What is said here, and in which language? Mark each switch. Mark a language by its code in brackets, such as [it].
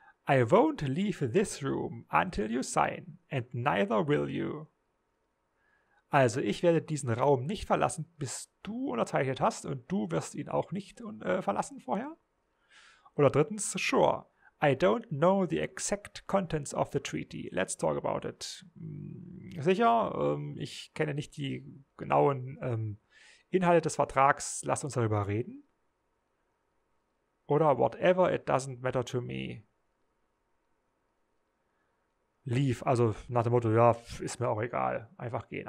[en] I won't leave this room until you sign. And neither will you. [de] Also ich werde diesen Raum nicht verlassen, bis du unterzeichnet hast und du wirst ihn auch nicht verlassen vorher. Oder drittens, [en] sure, I don't know the exact contents of the treaty. Let's talk about it. [de] Sicher, ich kenne nicht die genauen Inhalte des Vertrags, lass uns darüber reden. [en] Oder whatever, it doesn't matter to me. [de] Leave, also nach dem Motto, ja, ist mir auch egal, einfach gehen.